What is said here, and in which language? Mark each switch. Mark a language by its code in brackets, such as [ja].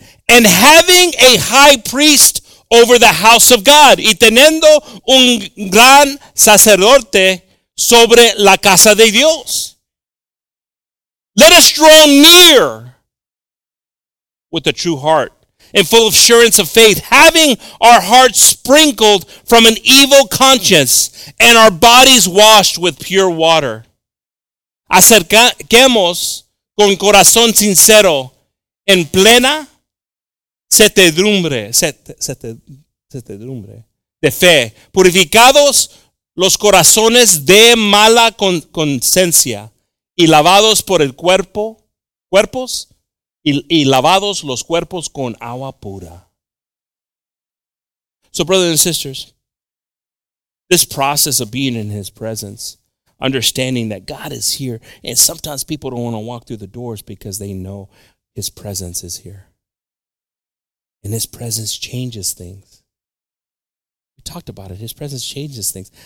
[en] And having a high priest over the house of God, [es] y teniendo un gran sacerdote sobre la casa de Dios. [en] Let us draw near with a true heart and full assurance of faith, having our hearts sprinkled from an evil conscience and our bodies washed with pure water. [es] Acerquemos con corazón sincero en plena certidumbre de fe, purificados los corazones de mala conciencia y lavados por el cuerpos y lavados los cuerpos con agua pura. [en] So brothers and sisters, this process of being in his presence, understanding that God is here, and sometimes people don't want to walk through the doors because they know his presence is here. And his presence changes things. We talked about it. His presence changes things.